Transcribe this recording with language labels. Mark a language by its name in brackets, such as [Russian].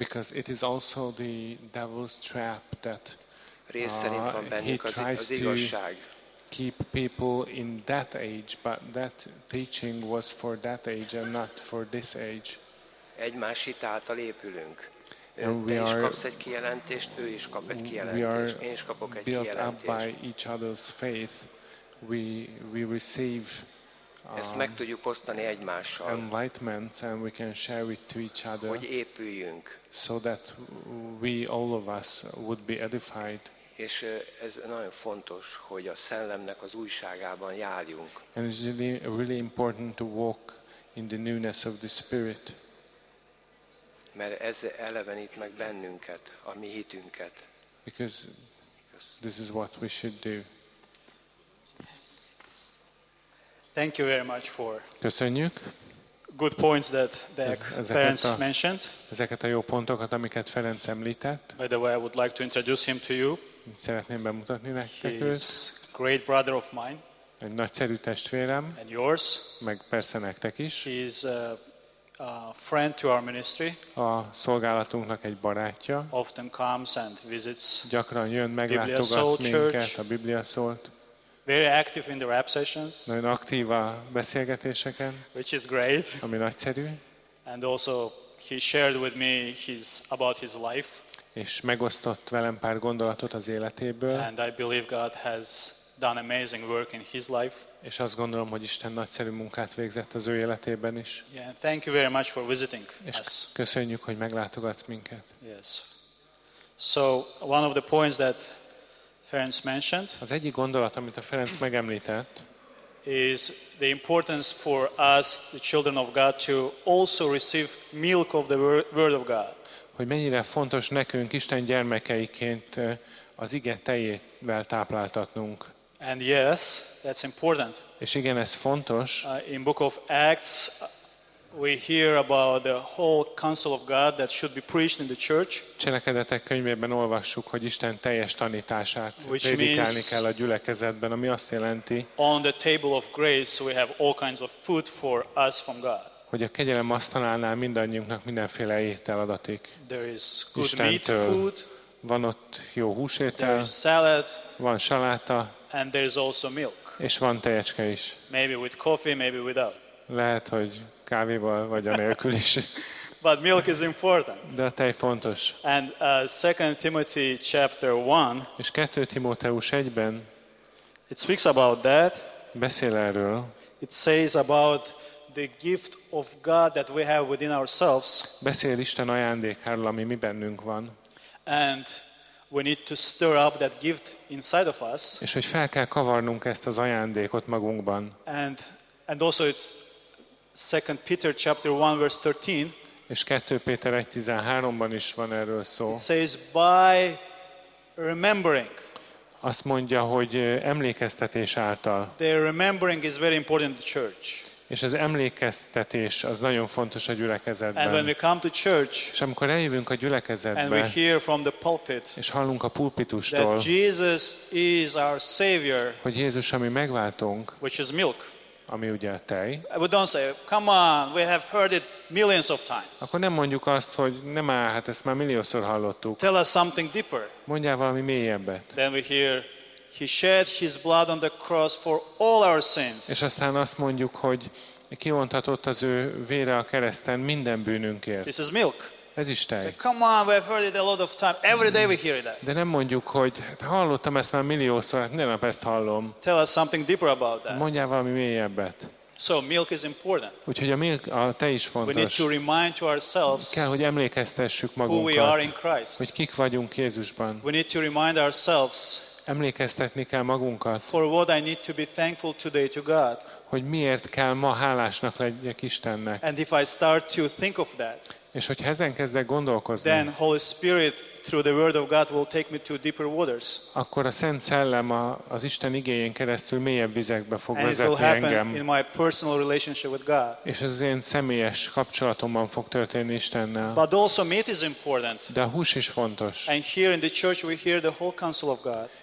[English] Because it is also the devil's trap that he tries to keep people in that age, but that teaching was for that age and not for this age. [Hungarian] Egymás hitáltal épülünk. Te is kapsz egy kijelentést, ő is kap egy kijelentést, én is kapok egy kijelentést. [English] Built up by each other's faith, we receive. [Hungarian] Ezt meg tudjuk osztani egymással. [English] Enlightenments and we can share it to each other. [Hungarian] Hogy épüljünk. [English] So that we all of us would be edified. [Hungarian] És ez nagyon fontos, hogy a szellemnek az újságában járjunk. [English] And it's really, really important to walk in the newness of the spirit. [Hungarian] Mert ez elevenít meg bennünket, a mi hitünket. [English] Because this is what we should do. Thank you very much for. [Hungarian] Köszönjük. [English] Good points that Ferenc mentioned. [Hungarian] Ezeket a jó pontokat, amiket Ferenc említett. [English] By the way, I would like to introduce him to you. [Hungarian] Szeretném bemutatni nektek őt. [English] He's great brother of mine. [Hungarian] Egy nagyszerű testvérem. [English] And yours. [Hungarian] Meg persze nektek is. [English] He's a friend to our ministry. [Hungarian] A szolgálatunknak egy barátja. [English] Often comes and visits. [Hungarian] Gyakran jön, meglátogat minket, a Biblia szólt. [English] Very active in the rap sessions. [Hungarian] Nagyon aktív a beszélgetéseken. [English] Which is great. [Hungarian] Ami nagyszerű. [English] And also he shared with me about his life. [Hungarian] És megosztott velem pár gondolatot az életéből. [English] And I believe God has done amazing work in his life. [Hungarian] És azt gondolom, hogy Isten nagyszerű munkát végzett az ő életében is. [English] Yeah, thank you very much for visiting [Hungarian] és [English] us. [Hungarian] Köszönjük, hogy meglátogatsz minket. [English] Yes. So one of the points that Ferenc mentioned. [Hungarian] Az egyik gondolat, amit a Ferenc megemlített, [English] is the importance for us, the children of God, to also receive milk of the word of God. [Hungarian] Hogy mennyire fontos nekünk Isten gyermekeiként az ige tejével tápláltatnunk. [English] And yes, that's important. [Hungarian] És igen, ez fontos. [English] In Book of Acts, we hear about the whole counsel of God that should be preached in the church. [Hungarian] Cselekedetek könyvében olvassuk, hogy Isten teljes tanítását prédikálni kell a gyülekezetben, ami azt jelenti. [English] On the table of grace we have all kinds of food for us from God. [Hungarian] Hogy a kegyelem asztalánál mindannyiunknak mindenféle étel adatik. [English] There is good [Hungarian] Istentől. [English] Meat food. [Hungarian] Van ott jó húsétel. [English] There is salad. [Hungarian] Van saláta. [English] And there is also milk. [Hungarian] És van tejecske is. [English] Maybe with coffee, maybe without. [Hungarian] Lehet, hogy kávéval vagy anélkül is. [English] But milk is important. [Hungarian] De a tej fontos. [English] And 2 Timothy chapter 1. [Hungarian] És 2 Timóteus 1-ben. [English] It speaks about that. [Hungarian] Beszél erről. [English] It says about the gift of God that we have within ourselves. [Hungarian] Beszél Isten ajándékáról, ami mi bennünk van. [English] And we need to stir up that gift inside of us. [Hungarian] És hogy fel kell kavarnunk ezt az ajándékot magunkban. [English] And also it's 2 Peter chapter 1 verse 13. [Hungarian] És 2 Péter 1:13-ban is van erről szó. [English] It says by remembering. [Hungarian] Azt mondja, hogy emlékeztetés által. [English] The remembering is very important to church. [Hungarian] És az emlékeztetés az nagyon fontos a gyülekezetben. [English] And when we come to church, [Hungarian] és amikor eljövünk a gyülekezetbe, [English] and we hear from the pulpit, [Hungarian] és hallunk a pulpitustól, [English] that Jesus is our savior, [Hungarian] hogy Jézus a mi megváltónk, [English] which is milk, [Hungarian] ami ugye a tej. [English] I would don't say, come on, we have heard it millions of times. [Hungarian] Akkor nem mondjuk azt, hogy nem áll, hát ezt már milliószor hallottuk. [English] Tell us something deeper. [Hungarian] Mondjál valami mélyebbet. [English] Then we hear, he shed his blood on the cross for all our sins. [Hungarian] És aztán azt mondjuk, hogy kivontatott az ő vére a kereszten minden bűnünkért. [English] This is milk. [Hungarian] Ez is tej. [English] So, come on, we have heard it a lot of time. Every day we hear it. [Hungarian] De nem mondjuk, hogy hallottam ezt már milliószor, hát minden nap ezt hallom. [English] Tell us something deeper about that. [Hungarian] Mondjál valami mélyebbet. [English] So milk is important. [Hungarian] Úgyhogy a tej is fontos. [English] We need to remind to ourselves [Hungarian] kell, hogy emlékeztessük magunkat, [English] who we are in Christ. [Hungarian] Hogy kik vagyunk Jézusban. [English] We need to remind ourselves [Hungarian] emlékeztetni kell magunkat, [English] for what I need to be thankful today to God. [Hungarian] Hogy miért kell ma hálásnak legyek Istennek. [English] And if I start to think of that, [Hungarian] és hogyha ezen kezdek gondolkozni, [English] then Holy Spirit through the word of God will take me to deeper waters. [Hungarian] Akkor a Szent Szellem az Isten igéjén keresztül mélyebb vizekbe fog vezetni engem. [English] In my personal relationship with God. [Hungarian] És ez az én személyes kapcsolatomban fog történni Istennel. [English] But also meat is important. [Hungarian] De a hús is fontos. [English] And here in the church we hear the whole counsel of God.